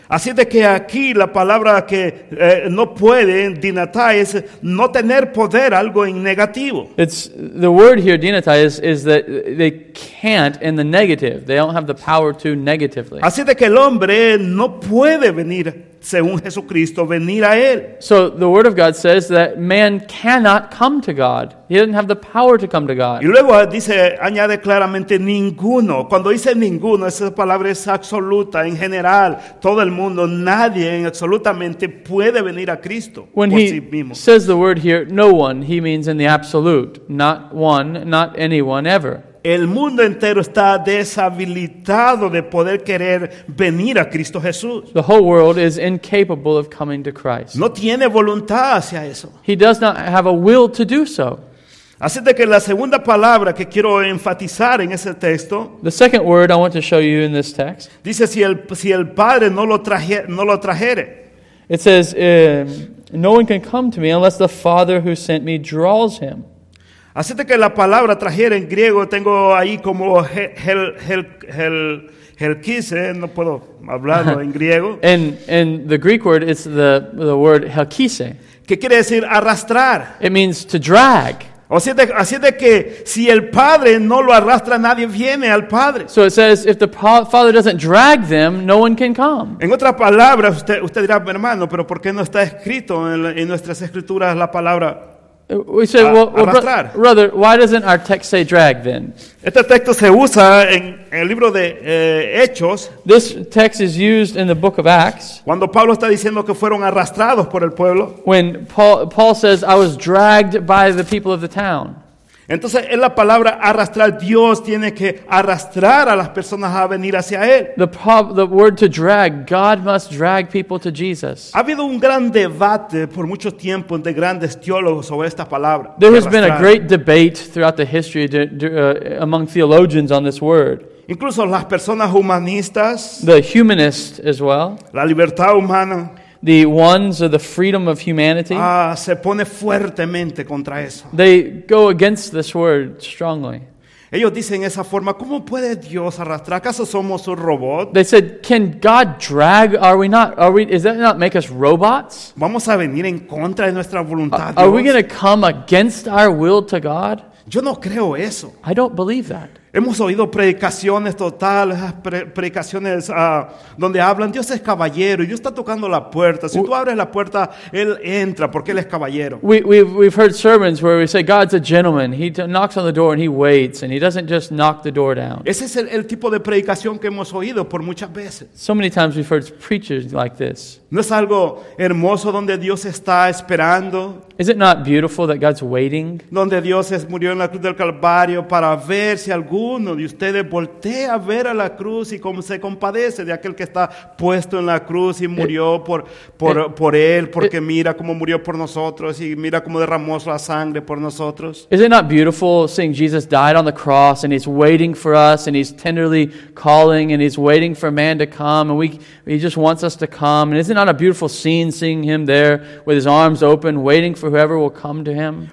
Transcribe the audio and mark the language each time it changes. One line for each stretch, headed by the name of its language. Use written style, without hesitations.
Spanish: Así de que aquí la palabra que no puede, dinatai, es no tener poder, algo en negativo.
English: It's the word here, dinatai, is that they can't in the negative. They don't have the power to negatively.
Spanish: Así de que el hombre no puede venir, según Jesucristo, venir a él.
English: So the word of God says that man cannot come to God. He doesn't have the power to come to God.
Spanish: Y luego dice, añade claramente, ninguno. Cuando dice ninguno, esa palabra es absoluta, en general, todo el mundo, nadie absolutamente puede venir a Cristo.
English: When
Spanish: por
English: he
Spanish: sí mismo.
English: Says the word here, no one, he means in the absolute, not one, not anyone ever.
Spanish: El mundo entero está deshabilitado de poder querer venir a Cristo Jesús.
English: The whole world is incapable of coming to Christ.
Spanish: No tiene voluntad hacia eso.
English: He does not have a will to do so.
Spanish: Así de que la segunda palabra que quiero enfatizar en ese texto.
English: The second word I want to show you in this text.
Spanish: Dice si el Padre no lo trajere.
English: It says, no one can come to me unless the Father who sent me draws him.
Spanish: Así de que la palabra trajera en griego tengo ahí como helkise, no puedo hablarlo en griego.
English: In the Greek word, it's the word helkise.
Spanish: ¿Qué quiere decir arrastrar?
English: It means to drag.
Spanish: Así de que si el Padre no lo arrastra, nadie viene al Padre.
English: So it says, if the Father doesn't drag them, no one can come.
Spanish: En otras palabras, usted dirá, hermano, pero ¿por qué no está escrito en nuestras escrituras la palabra?
English: We say, brother, why doesn't our text say drag then?
Spanish: Este texto se usa en el libro de Hechos.
English: This text is used in the book of Acts.
Spanish: Cuando Pablo está diciendo que fueron arrastrados por el pueblo.
English: When Paul says, I was dragged by the people of the town.
Spanish: Entonces, en la palabra arrastrar, Dios tiene que arrastrar a las personas a venir hacia Él.
English: The word to drag, God must drag people to Jesus.
Spanish: Ha habido un gran debate por mucho tiempo entre grandes teólogos sobre esta palabra.
English: There has been a great debate throughout the history among theologians on this word.
Spanish: Incluso las personas humanistas.
English: The humanist as well.
Spanish: La libertad humana.
English: The ones of the freedom of humanity.
Spanish: Se pone fuertemente contra eso.
English: They go against this word strongly.
Spanish: Ellos dicen esa forma, ¿cómo puede Dios arrastrar? ¿Acaso somos un robot?
English: They said, can God drag? Are we not? Is that not make us robots?
Spanish: Vamos a venir en contra de nuestra voluntad.
English: Are we going to come against our will to God?
Spanish: Yo no creo eso.
English: I don't believe that.
Spanish: Hemos oído predicaciones totales, predicaciones donde hablan, Dios es caballero, Dios está tocando la puerta. Si tú abres la puerta, Él entra, porque Él es caballero.
English: We've heard sermons where we say, God's a gentleman. He knocks on the door and He waits, and He doesn't just knock the door down.
Spanish: Ese es el tipo de predicación que hemos oído por muchas veces.
English: So many times we've heard preachers like this.
Spanish: ¿No es algo hermoso donde Dios está esperando?
English: Is it not beautiful that God's waiting?
Spanish: Donde Dios murió en la cruz del Calvario para ver si alguno de ustedes voltea a ver a la cruz y como se compadece de aquel que está puesto en la cruz y murió por él, porque mira cómo murió por nosotros y mira cómo derramó la sangre por nosotros.
English: Is it not beautiful seeing Jesus died on the cross and He's waiting for us and He's tenderly calling and He's waiting for man to come and He just wants us to come? And is it not a beautiful scene seeing Him there with His arms open waiting for whoever will come to Him?